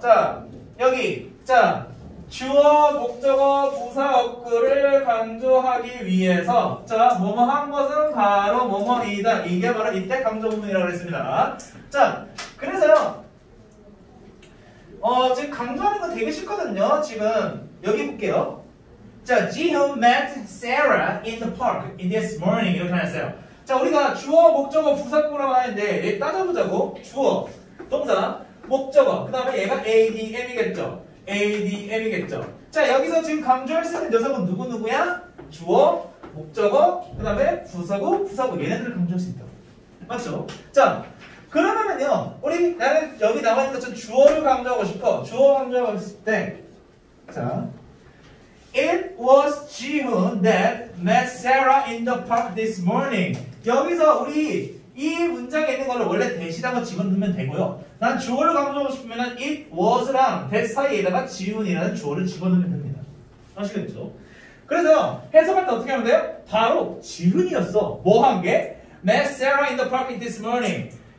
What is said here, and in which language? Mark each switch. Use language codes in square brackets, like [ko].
[ko] 자, 여기, 자, 주어, 목적어, 부사, 억구를 강조하기 위해서, 자, 뭐뭐 한 것은 바로 뭐뭐이다. 이게 바로 이때 강조 부분이라고 했습니다. 자, 그래서요, 지금 강조하는 거 되게 쉽거든요. 지금 여기 볼게요. [en] 자, Jihyun met Sarah in the park in this morning. [ko] 이렇게 하셨어요. 자, 우리가 주어, 목적어, 부사구라고 하는데 얘 따져보자고. 주어, 동사, 목적어, 그 다음에 얘가 ADM이겠죠. ADM이겠죠. 자, 여기서 지금 강조할 수 있는 녀석은 누구누구야? 주어, 목적어, 그 다음에 부사구, 부사구. 얘네들을 강조할 수 있다고. 맞죠? 자, 그러면은요, 우리 나는 여기 나와 있는 것처럼 주어를 강조하고 싶어. 주어 강조하고 싶을 때, [en] 자, It was Jihyun that met Sarah in the park this morning. [ko] 여기서 우리 이 문장에 있는 걸 원래 대시라고 집어넣으면 되고요. 난 주어를 강조하고 싶으면은 It was랑 that 사이에다가 Jihyun이라는 주어를 집어넣으면 됩니다. 아시겠죠? 그래서 해석할 때 어떻게 하면 돼요? 바로 Jihyun이었어. 뭐 한 게? [en] Met Sarah in the park this morning.